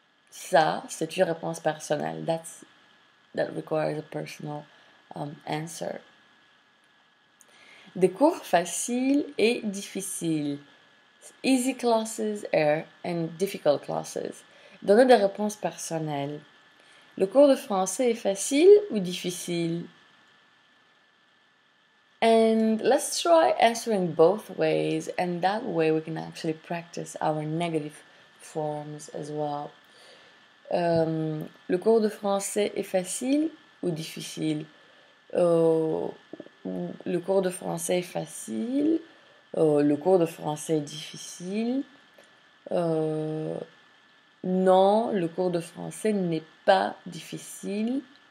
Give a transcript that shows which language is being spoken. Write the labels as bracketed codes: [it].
[fr] Ça, c'est une réponse personnelle. [en] That requires a personal answer. [fr] Des cours faciles et difficiles. [en] Easy classes and difficult classes. [fr] Donnez des réponses personnelles. Le cours de français est facile ou difficile? [en] And let's try answering both ways, and that way we can actually practice our negative forms as well. [fr] Le cours de français est facile ou difficile? Le cours de français est facile. Le cours de français est difficile. Non, le cours de français n'est pas difficile.